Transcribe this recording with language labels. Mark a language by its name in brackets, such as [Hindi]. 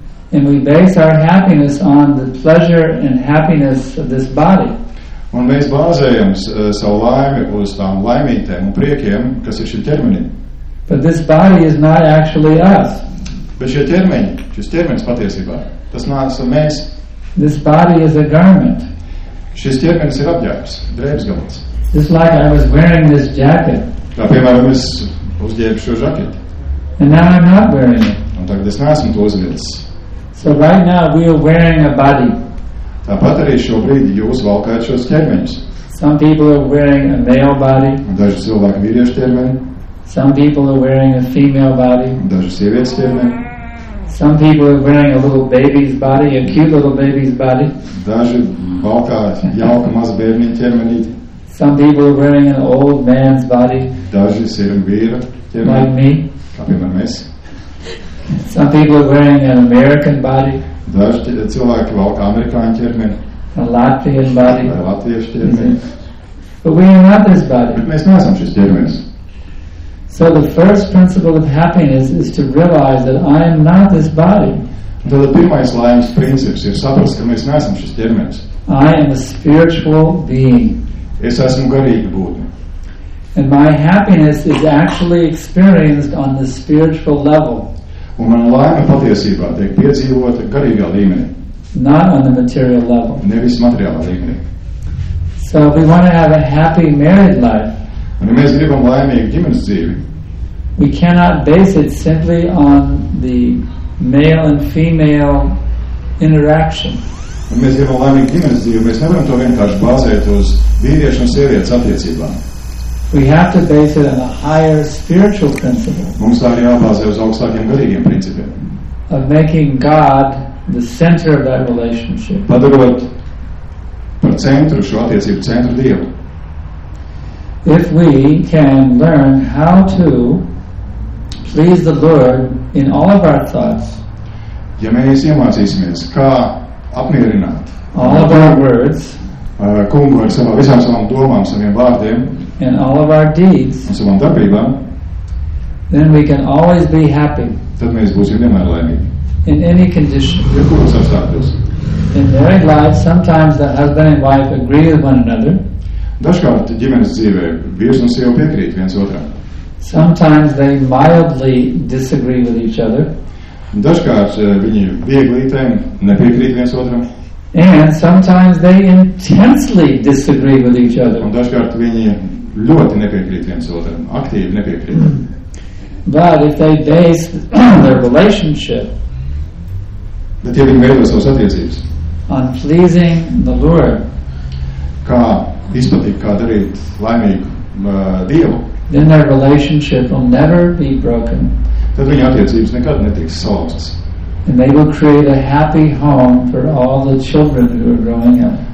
[English] And we base our happiness on the pleasure and happiness of this body. [Latvian] Un mēs bāzējam savu laimi uz tām laimītēm un priekiem, kas ir šī ķermeņa. [English] But this body is not actually us. [Latvian] Bet šie ķermeņi, šis ķermenis patiesībā, tas neesam mēs. [English] This body is a garment. [Latvian] Šis ķermenis ir apģērbs, drēbes galvas. [English] Just like I was wearing this jacket. [Latvian] Tā piemēram, es uzģērbu šo žaketi. [English] And now I'm not wearing it. [Latvian] Un tagad es neesmu to uzvilcis. [English] So right now we are wearing a body. [Latvian] Tāpat arī šobrīd jūs valkājat šos ķermeņus. [English] Some people are wearing a male body. [Latvian] Daži cilvēki vīriešu ķermeni. [English] Some people are wearing a female body. [Latvian] Daži sievietes ķermeni. [English] Some people are wearing a little baby's body, a cute little baby's body. [Latvian] Daži valkā jauka maza bērniņa ķermenī. [English] Some people are wearing an old man's body. [Latvian] Daži sirm vīra ķermeni. [English] Like me. [Latvian] Kā piemēram mēs. [English] Some people are wearing an American body. [Latvian] Daži cilvēki valkā amerikāņu ķermeni. [English] A Latvian body. [Latvian] Vai latviešu ķermeni. [English] But we are not this body. [Latvian] Bet mēs neesam šis ķermenis. [English] So the first principle of happiness is to realize that I am not this body. [Latvian] Tad pirmais laimes princips ir saprast, ka mēs neesam šis ķermenis. [English] I am a spiritual being. [Latvian] Es esmu garīga būtne. [English] And my happiness is actually experienced on the spiritual level. [Latvian] Un mana laime patiesībā tiek piedzīvota garīgā līmenī. [English] Not on the material level. [Latvian] Nevis materiālā līmenī. [English] So we want to have a happy married life. [Latvian] Un ja mēs gribam laimīgu ģimenes dzīvi. [English] We cannot base it simply on the male and female interaction. [Latvian] Un mēs gribam laimīgu ģimenes dzīvi, mēs nevaram to vienkārši bāzēt uz vīriešu un sievietes attiecībām. [English] We have to base it on a higher spiritual principle. [Latvian] Mums tā ir jābāzē uz augstākiem garīgiem principiem. [English] Of making God the center of that relationship. [Latvian] Padarot par centru šo attiecību, centru Dievu. [English] If we can learn how to please the Lord in all of our thoughts, [Latvian] ja mēs iemācīsimies, kā apmierināt [English] all of our words, [Latvian] kungu ar savām, visām savām domām, saviem vārdiem, [English] and all of our deeds, [Latvian] un savām darbībām, [English] then we can always be happy, [Latvian] tad mēs būsim vienmēr laimīgi, [English] in any condition, [Latvian] jebkuros apstākļos. [English] In married life, sometimes the husband and wife agree with one another. [Latvian] Dažkārt ģimenes dzīvē vīrs un sieva piekrīt viens otram. [English] Sometimes they mildly disagree with each other. [Latvian] Dažkārt viņi viegli tiem nepiekrīt viens otram. [English] And sometimes they intensely disagree with each other. [Latvian] Un dažkārt viņi ļoti nepiekrīt viens otram, aktīvi nepiekrīt. [English] But if they base their relationship, [Latvian] bet ja viņi veido savas attiecības [English] on pleasing the Lord, [Latvian] kā izpatīt, kā darīt laimīgu Dievu, [English] then their relationship will never be broken. [Latvian] Tad viņa attiecības nekad netiks salauztas. [English] And they will create a happy home for all the children who are growing up.